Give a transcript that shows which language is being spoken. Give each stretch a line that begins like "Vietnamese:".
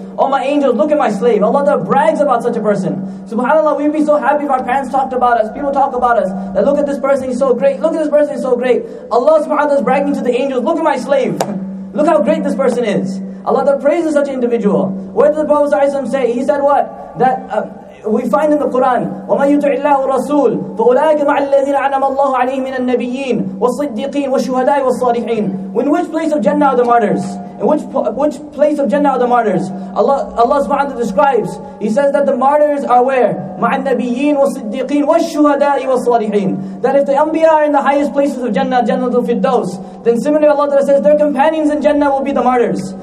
English: Oh my angels, look at my slave. Allah Ta'ala brags about such a person. SubhanAllah, we'd be so happy if our parents talked about us, people talk about us, that look at this person, he's so great. Look at this person, he's so great. Allah SubhanAllah is bragging to the angels, look at my slave. Look how great this person is. Allah Ta'ala praises such an individual. What did the Prophet ﷺ say? He said what? That we find in the Quran,
Arabic: وَمَن يُطِعِ اللَّهَ وَرَسُولَهُ فَأُولَٰئِكَ مَعَ الَّذِينَ أَنْعَمَ اللَّهُ عَلَيْهِم مِّنَ النَّبِيِّينَ وَالصِّدِّيقِينَ وَالشُّهَدَاءِ وَالصَّالِحِينَ
English: In which place of Jannah are the martyrs? In which place of Jannah are the martyrs? Allah Subhanahu describes. He says that the martyrs are where?
Arabic: مَعَ النَّبِيِّينَ وَالصِّدِّيقِينَ وَالشُّهَدَاءِ وَالصَّالِحِينَ
English: That if the Anbiya are in the highest places of Jannah, Jannatul Firdaus, then similarly Allah Ta'ala says their companions in Jannah will be the martyrs.